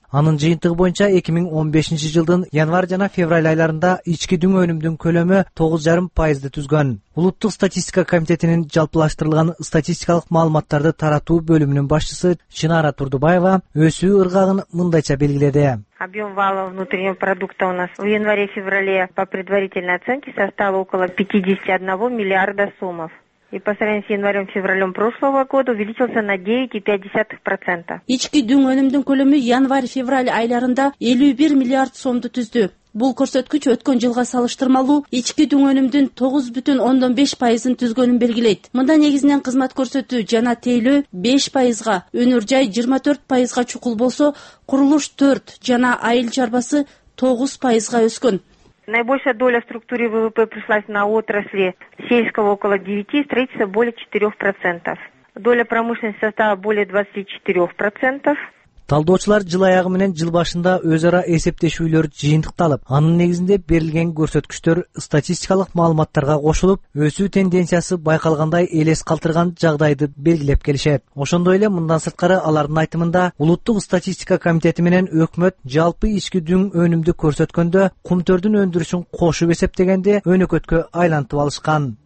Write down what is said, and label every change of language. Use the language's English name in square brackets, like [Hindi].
[Kyrgyz] Анын жыйынтыгы боюнча 2015 жылдын январь жана февраль айларында ички дүң өнүмдүн көлөмү 9.5% түзгөн. Улуттук статистика комитетинин жалпылаштырылган статистикалык маалыматтарды таратуу бөлүмүнүн башчысы Чынара Турдубаева өсүү ыргагын мындайча белгиледи. [Russian] Объем валового внутреннего продукта у нас в январе-феврале по предварительной оценке составил около 51 миллиарда сомов. И по сравнению с январем-февралем прошлого года увеличился на 9.5%. [Kyrgyz] Ички дүң өнүмдүн көлөмү январь-февраль айларында 51 миллиард сомду түздү. Бул көрсөткүч өткөн жылга салыштырмалуу ички дүң өнүмдүн 9.5% түзгөнүн белгилейт. Мында негизинен кызмат көрсөтүү жана тейлөө 5%, өнөр жай 24% чукул болсо, курулуш 4 жана айыл чарбасы 9% өскөн. [Russian] Наибольшая доля в структуре ВВП пришлась на отрасли сельского около 9, строительство более 4%. Доля промышленности состава более 24%. [Kyrgyz] Талдоочулар жыл аягы менен жыл башында өз ара эсептешүүлөр жыйынтыкталып, анын негизинде берилген көрсөткүчтөр статистикалык маалыматтарга кошулуп, өсүү тенденциясы байкалгандай элес калтырган жагдайды белгилеп келишет. Ошондой эле мындан сырткары алардын айтымында улуттук статистика комитети менен өкмөт жалпы ички дүң өнүмдү көрсөткөндө кумтөрдүн өндүрүшүн кошуп эсептегенде өнөкөткө айлантып алышкан.